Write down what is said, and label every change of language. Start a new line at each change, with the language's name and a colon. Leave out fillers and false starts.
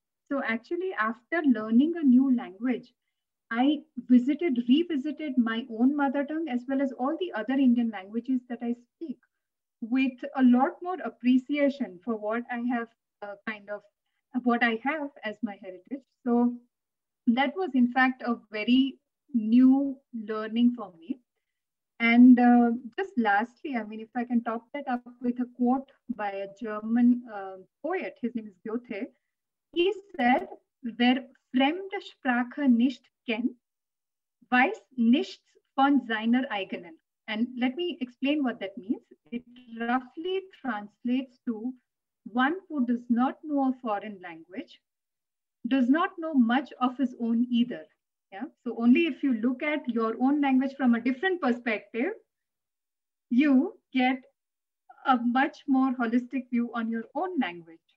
English: So actually, after learning a new language, I revisited my own mother tongue as well as all the other Indian languages that I speak with a lot more appreciation for what I have what I have as my heritage. So that was in fact a very new learning for me. And just lastly, I mean, if I can top that up with a quote by a German poet, his name is Goethe. He said,
German: "Wer Fremdsprache nicht kennt, weiß nichts von seiner eigenen."
English: And let me explain what that means. It roughly translates to, one who does not know a foreign language does not know much of his own either. Yeah. So only if you look at your own language from a different perspective, you get a much more holistic view on your own language.